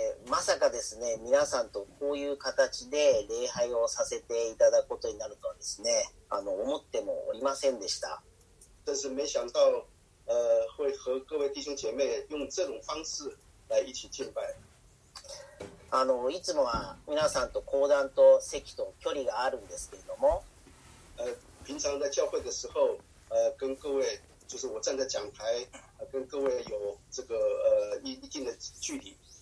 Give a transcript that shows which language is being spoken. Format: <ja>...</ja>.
<ja>まさかですね、皆さんとこういう形で礼拝をさせていただくことになるとはですね、思ってもおりませんでした。</ja> <zh>真是没想到、会和各位弟兄姐妹用这种方式来一起敬拜。</zh> <ja>いつもは皆さんと講壇と席と距離があるんですけれども、</ja> <zh>平常在教会的时候、跟各位就是我站在讲台、跟各位有这个、一定的距离。</zh>